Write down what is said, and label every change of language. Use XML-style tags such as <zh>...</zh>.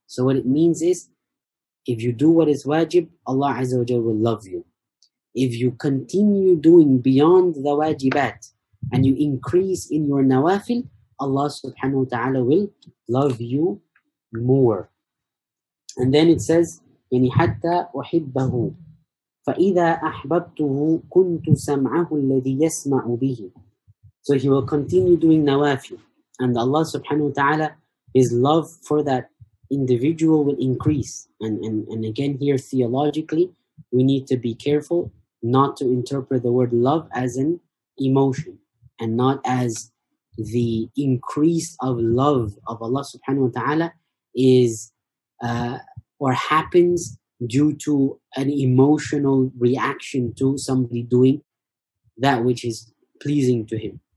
<en>So what it means is, if you do what is wajib, Allah Azza wa Jalla will love you. If you continue doing beyond the wajibat, and you increase in your nawafil, Allah subhanahu wa ta'ala will love you more. And then it says,</en> <ar>يَنِ حَتَّى أُحِبَّهُ فَإِذَا أَحْبَبْتُهُ كُنْتُ سَمْعَهُ الَّذِي يَسْمَعُ بِهِ.</ar> <en>So he will continue doing nawafil, and Allah subhanahu wa ta'ala, his love for that individual will increase. And again here, theologically, we need to be careful not to interpret the word love as an emotion, and not as the increase of love of Allah subhanahu wa ta'ala is or happens due to an emotional reaction to somebody doing that which is pleasing to him.</en>